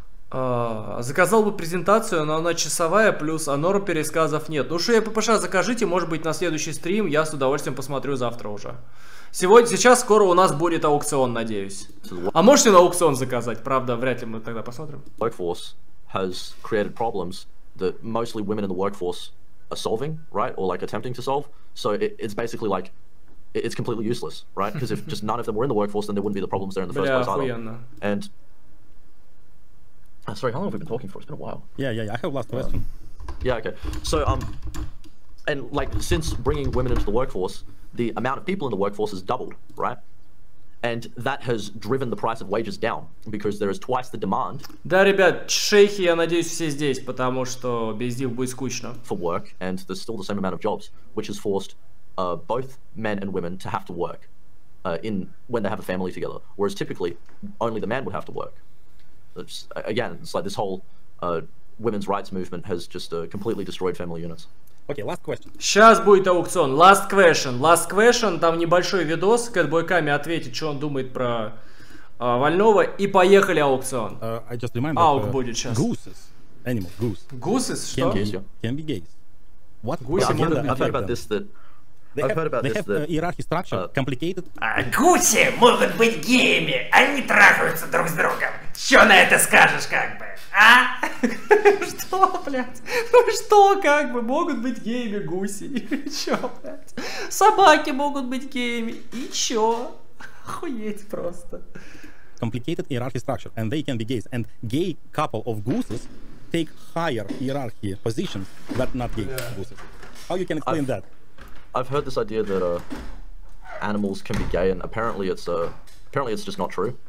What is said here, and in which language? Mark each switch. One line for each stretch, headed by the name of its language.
Russian: Заказал бы презентацию, но она часовая, плюс анор пересказов нет. Ну что, я ППШ, закажите, может быть, на следующий стрим я с удовольствием посмотрю завтра уже. Сегодня, сейчас скоро у нас будет аукцион, надеюсь. А можете на аукцион заказать? Правда, вряд ли мы тогда посмотрим.
English: Workforce has created problems that mostly women in the workforce are solving, right? Or like attempting to solve. So it's basically like it's completely useless, right? Because if just none of them were in the workforce, then there wouldn't be the problems there in the first place either. And sorry, how long have we been talking for? It's been a while. Yeah. I have last question. Yeah, okay. So, and like since bringing women into the workforce, the amount of people in the workforce has doubled, right? And that has driven the price of wages down because there is twice the demand.
Russian: Да, ребят, шейхи, я надеюсь, все здесь, потому что без них будет скучно.
English: For work, and there's still the same amount of jobs, which has forced both men and women to have to work in when they have a family together. Whereas typically, only the man would have to work. It's, again, it's like this whole women's rights movement has just completely destroyed family units. Okay, last question.
Russian: Сейчас будет аукцион.
English: Last question.
Russian: Там небольшой видос. Кэтбой Ками ответит, что он думает про Вольного. И поехали аукцион.
English: I just remind that,
Russian: будет сейчас.
English: Gooses. Animal, goose.
Russian: Gooses, что?
English: Can be gays. What? Gooses, I've heard about them. This, that They have иерархи structure, complicated.
Russian: А гуси могут быть геями, они трахаются друг с другом. Чё на это скажешь, как бы? А? Что, блядь? Ну что, как бы, могут быть геями гуси? И чё, блядь? Собаки могут быть геями, и чё? Охуеть просто.
English: Complicated hierarchy structure, and they can be gays. And gay couple of gooses take higher hierarchy positions, but not gay gooses. How you can explain that? I've heard this idea that animals can be gay, and apparently it's just not true.